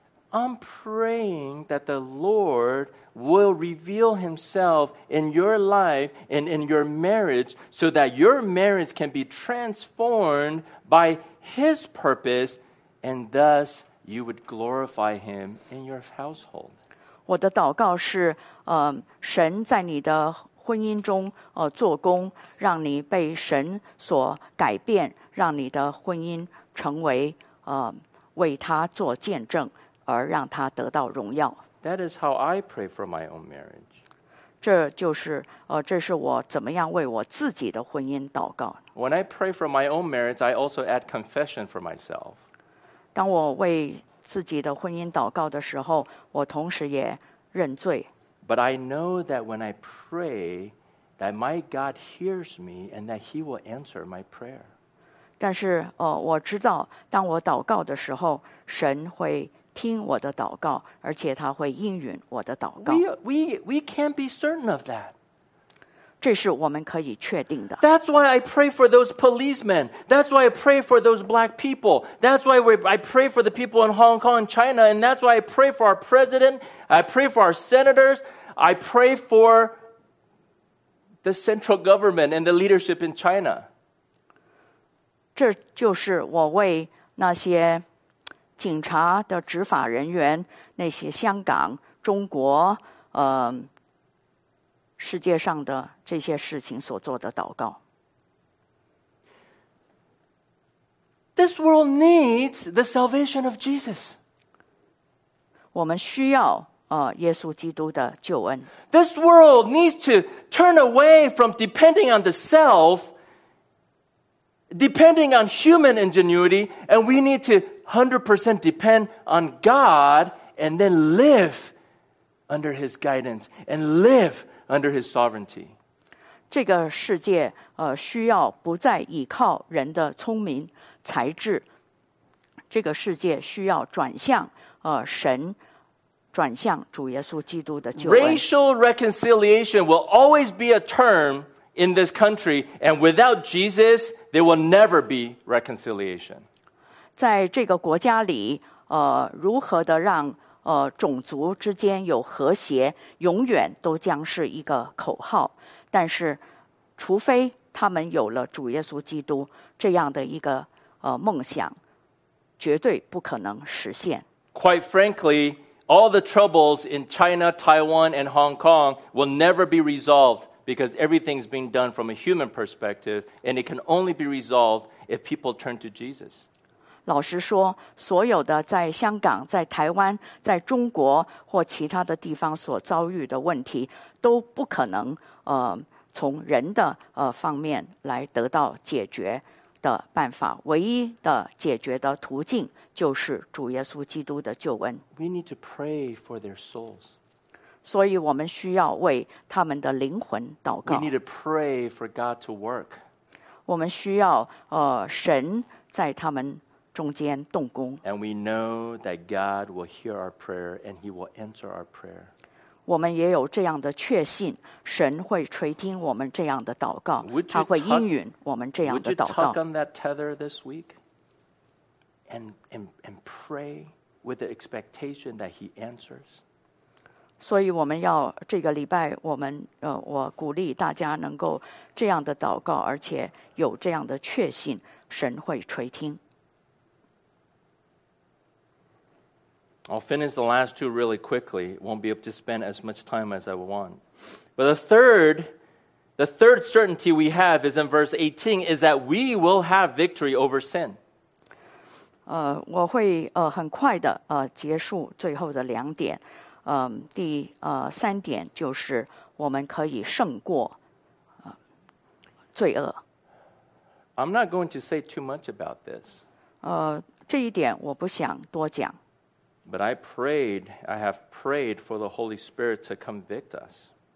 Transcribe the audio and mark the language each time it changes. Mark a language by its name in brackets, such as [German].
[English] I'm praying that the Lord will reveal himself in your life and in your marriage so that your marriage can be transformed by his purpose and thus you would glorify him in your household. [Chinese] 我的祷告是神在你的婚姻中做工让你被神所改变让你的婚姻成为为他做见证而让他得到荣耀。 [English] That is how I pray for my own marriage. [Chinese] 这就是这是我怎么样为我自己的婚姻祷告。 [English] When I pray for my own marriage, I also add confession for myself. [Chinese] 当我为自己的婚姻祷告的时候，我同时也认罪。 [English] But I know that when I pray, that my God hears me and that he will answer my prayer. [Chinese] 但是我知道当我祷告的时候，神会听我的祷告，而且他会应允我的祷告。 [English] We can't be certain of that. [Chinese] 这是我们可以确定的。 [English] That's why I pray for those policemen. That's why I pray for those black people. That's why I pray for the people in Hong Kong and China. And that's why I pray for our president. I pray for our senators. I pray for the central government and the leadership in China. [Chinese] 这就是我为那些警察的执法人员，那些香港、中国，世界上的这些事情所做的祷告。 [English] This world needs the salvation of Jesus. [Chinese] 我们需要耶稣基督的救恩。 [English] This world needs to turn away from depending on the self, depending on human ingenuity, and we need to 100% depend on God and then live under his guidance and live under his sovereignty. [Chinese] 这个世界需要不再依靠人的聪明才智。这个世界需要转向神转向主耶稣基督的救恩。 [English] Racial reconciliation will always be a term in this country and without Jesus, there will never be reconciliation. [Chinese] 在这个国家里如何的让种族之间有和谐永远都将是一个口号但是除非他们有了主耶稣基督这样的一个梦想绝对不可能实现 [English] Quite frankly, all the troubles in China, Taiwan and Hong Kong will never be resolved because everything's being done from a human perspective and it can only be resolved if people turn to Jesus. [Chinese] 老实说，所有的在香港、在台湾、在中国或其他的地方所遭遇的问题，都不可能从人的方面来得到解决的办法。唯一的解决的途径就是主耶稣基督的救恩。 [English] We need to pray for their souls. [Chinese] 所以我们需要为他们的灵魂祷告。 [English] We need to pray for God to work. [Chinese] 我们需要神在他们中间动工 [English] and we know that God will hear our prayer and he will answer our prayer. [Chinese] 我们也有这样的确信，神会垂听我们这样的祷告，他会应允我们这样的祷告。 [English] Would you tug on that tether this week and pray with the expectation that he answers? [Chinese] 所以我们要这个礼拜，我鼓励大家能够这样的祷告，而且有这样的确信，神会垂听。 [English] I'll finish the last two really quickly. Won't be able to spend as much time as I want. But the third certainty we have is in verse 18, is that we will have victory over sin. [Chinese] 我会很快的结束最后的两点。第三点就是我们可以胜过罪恶。 [English] I'm not going to say too much about this. [Chinese] 这一点我不想多讲。 [English] But I have prayed for the Holy Spirit to convict us.